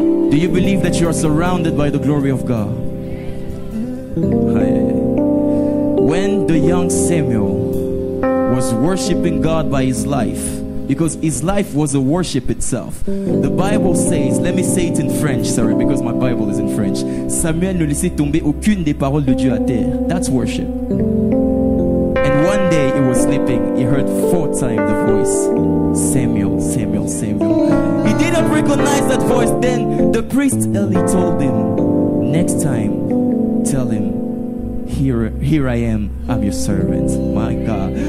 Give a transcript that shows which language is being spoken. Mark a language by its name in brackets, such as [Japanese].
[English] Do you believe that you are surrounded by the glory of God? When the young Samuel was worshiping God by his life, because his life was a worship itself. The Bible says, let me say it in French, sorry, because my Bible is in French. [French] Samuel ne laissait tomber aucune des paroles de Dieu à terre. [English] That's worship. And one day he was sleeping, he heard four times the voice, Samuel, Samuel, Samuel. He didn't recognize that voice. Then the priest Eli told him, next time, tell him, here I am, I'm your servant. My God.